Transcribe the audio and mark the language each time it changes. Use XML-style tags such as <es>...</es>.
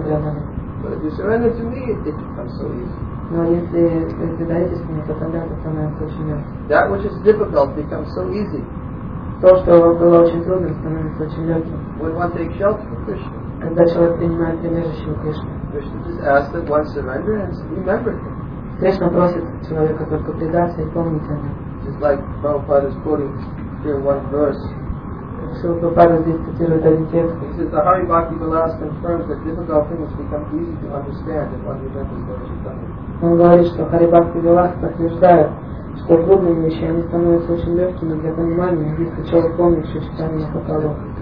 <ru>преодолеть. Но если вы предаетесь мне, то тогда это становится очень легким.</ru> <en>That which is difficult becomes so easy.</en> <ru>То, что было очень трудно, становится очень легким.</ru> <en>When one takes shelter of Krishna.</en> <ru>Когда человек принимает прибежище у Кришны.</ru> <en>Krishna just asks that one surrender and remember him.</en> <ru>Кришна просит человека только предаться и помнить о нем.</ru> <en>Just like Prabhupada is quoting here one verse.</en> <ru>Шрила Прабхупада здесь цитирует один текст.</ru> <en>He says, the Hari Bhakti Vilas confirms that difficult things become easy to understand if one remembers what she's done.</en> <ru>Он говорит, что Харибхакти Вилас подтверждает, что трудные вещи они становятся очень легкими для понимания, если человек помнит, что читание их попало.</ru>